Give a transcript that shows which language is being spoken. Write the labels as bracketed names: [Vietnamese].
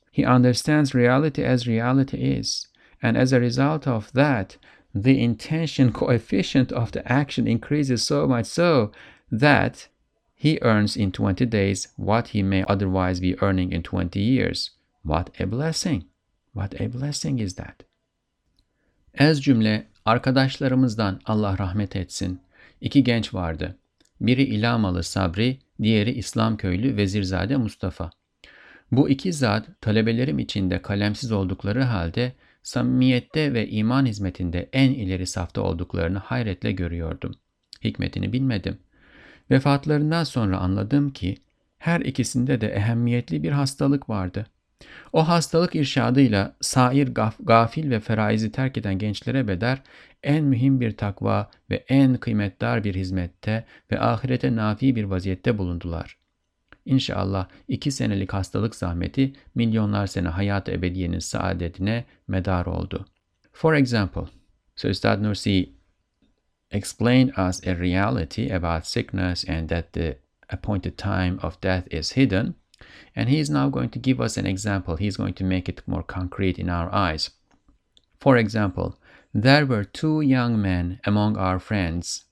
[English] He understands reality as reality is. And as a result of that, the intention coefficient of the action increases so much so that he earns in 20 days what he may otherwise be earning in 20 years. What a blessing! What a blessing is that? [Turkish] Ez cümle arkadaşlarımızdan Allah rahmet etsin. İki genç vardı. Biri İlamalı Sabri, diğeri İslam köylü Vezirzade Mustafa. Bu iki zat talebelerim içinde kalemsiz oldukları halde samimiyette ve iman hizmetinde en ileri safta olduklarını hayretle görüyordum. Hikmetini bilmedim. Vefatlarından sonra anladım ki her ikisinde de ehemmiyetli bir hastalık vardı. O hastalık irşadıyla sair gafil ve feraizi terk eden gençlere bedel en mühim bir takva ve en kıymetdar bir hizmette ve ahirete nafi bir vaziyette bulundular. İnşallah 2 senelik hastalık zahmeti milyonlar sene hayat-ı ebediyenin saadetine medar oldu. [English] For example, so Üstad Nursi explained us a reality about sickness and that the appointed time of death is hidden. And he is now going to give us an example. He is going to make it more concrete in our eyes. For example, there were 2 young men among our friends.